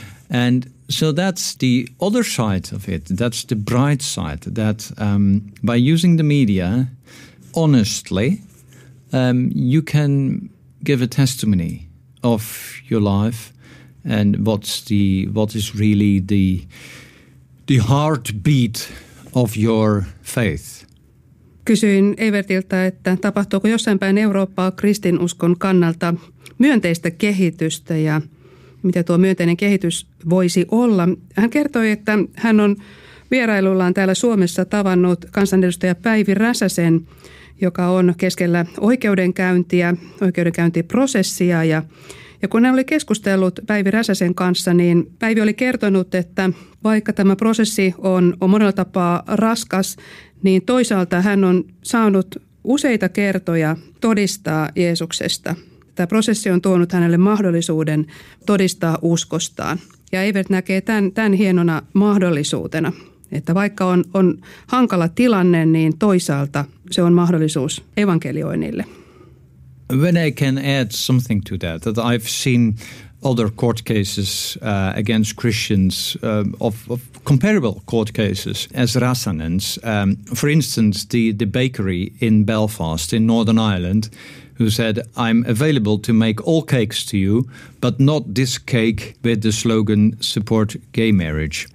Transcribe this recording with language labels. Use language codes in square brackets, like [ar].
[en] And so that's the other side of it. That's the bright side, that by using the media, honestly, you can give a testimony of your life and what is really the heartbeat of your faith. [fi] Kysyin Evertiltä, että tapahtuuko jossain päin Eurooppaa kristinuskon kannalta myönteistä kehitystä ja mitä tuo myönteinen kehitys voisi olla. Hän kertoi, että hän on vierailullaan täällä Suomessa tavannut kansanedustaja Päivi Räsäsen, joka on keskellä oikeudenkäyntiprosessia. Ja kun hän oli keskustellut Päivi Räsäsen kanssa, niin Päivi oli kertonut, että vaikka tämä prosessi on monella tapaa raskas, niin toisaalta hän on saanut useita kertoja todistaa Jeesuksesta. Tämä prosessi on tuonut hänelle mahdollisuuden todistaa uskostaan. Ja Evert näkee tämän hienona mahdollisuutena, että vaikka on hankala tilanne, niin toisaalta se on mahdollisuus evankelioinnille. [en] When I can add something to that, that I've seen other court cases against Christians of comparable court cases as Räsänen's. For instance, the bakery in Belfast in Northern Ireland, who said, I'm available to make all cakes to you, but not this cake with the slogan support gay marriage.